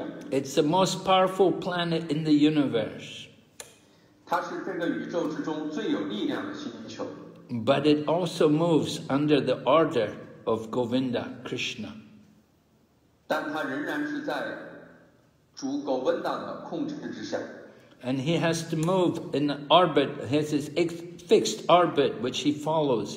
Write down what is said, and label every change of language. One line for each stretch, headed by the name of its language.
English: It's the most powerful planet in the universe.
Chinese: 它是这个宇宙之中最有力量的星球。
English: But it also moves under the order of Govinda Krishna.
Chinese: 但它仍然是在主狗文档的控制之下。
English: And he has to move in orbit, has his fixed orbit which he follows.